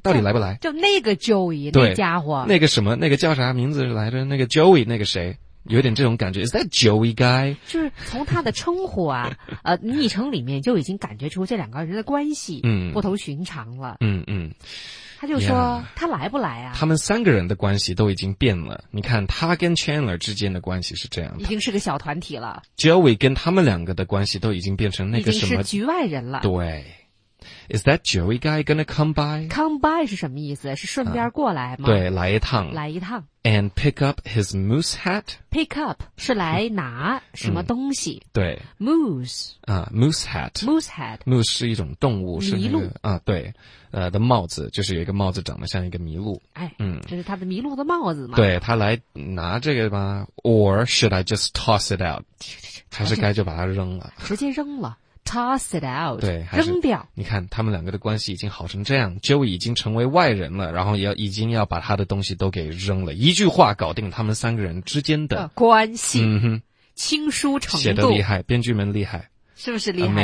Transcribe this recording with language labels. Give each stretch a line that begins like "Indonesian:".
Chinese: 到底来不来？就那个 Joey 那家伙，那个什么那个叫啥名字来着？那个 Joey 那个谁？有点这种感觉 ，
English: Is that Joey guy？
Chinese: 就是从他的称呼啊，昵称里面就已经感觉出这两个人的关系不同寻常了。嗯，他就说 yeah, 他来不来啊？他们三个人的关系都已经变了。你看他跟 Chandler 之间的关系是这样的，已经是个小团体了。 Joey 跟他们两个的关系都已经变成那个什么，已经是局外人了。对。
English: Is that Joey guy gonna come by?
Chinese: Come by 是什么意思？是顺便过来吗？对，来一趟。来一趟。
English: And pick up his moose hat?
Chinese: Pick up 是来拿什么东西？对。
English: Moose. 啊 ,moose hat. Moose hat.
Chinese: Moose 是一种动物，是麋鹿。啊对。的帽子，就是有一个帽子长得像一个麋鹿。哎嗯。这是他的麋鹿的帽子吗？对，他来拿这个吗？
English: Or should I just toss it out?
Chinese: 还是该就把它扔了。直接扔了。
English: Toss it out，
Chinese: 对，扔掉。你看，他们两个的关系已经好成这样 ，Joey 已经成为外人了，然后也已经要把他的东西都给扔了，一句话搞定他们三个人之间的关系。嗯哼，亲疏程度写得厉害，编剧们厉害，是不是厉害